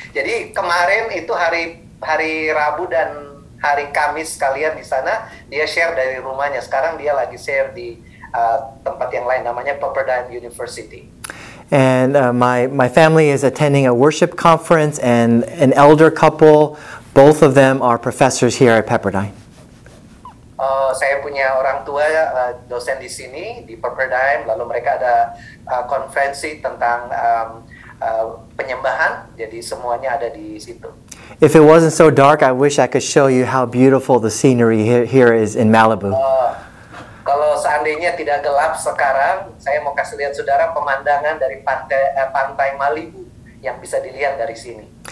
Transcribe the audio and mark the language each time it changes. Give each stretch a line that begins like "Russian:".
Indonesian: Jadi kemarin itu hari Rabu dan hari Kamis kalian di sana, dia share dari rumahnya. Sekarang dia lagi share di tempat yang lain, namanya Pepperdine University.
English: And my family is attending a worship conference, and an elder couple, both of them are professors here at Pepperdine.
Indonesian: Saya punya orang tua dosen di sini di Pepperdine, lalu mereka ada konferensi tentang penyembahan, jadi semuanya ada di situ.
English: If it wasn't so dark, I wish I could show you how beautiful the scenery here is in Malibu.
Indonesian: Kalau seandainya tidak gelap sekarang, saya mau kasih lihat saudara pemandangan dari pantai Malibu yang bisa dilihat dari sini.